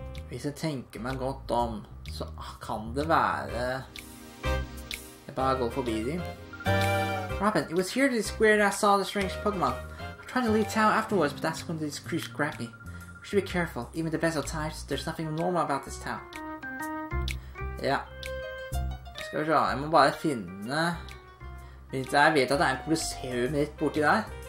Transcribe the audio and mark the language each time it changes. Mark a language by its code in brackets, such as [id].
[no] Hvis jeg tenker meg godt om, så kan det være... Jeg bare går forbi dem. [en] Robin, it was here to the square that I saw the strange Pokemon. I'm trying to leave town afterwards, but that's when these creeps grab me. We should be careful. Even the best of times, there's nothing normal about this town. [no] Ja. Skal vi se, jeg må bare finne... Jeg vet at det er en kolosseum litt borti der.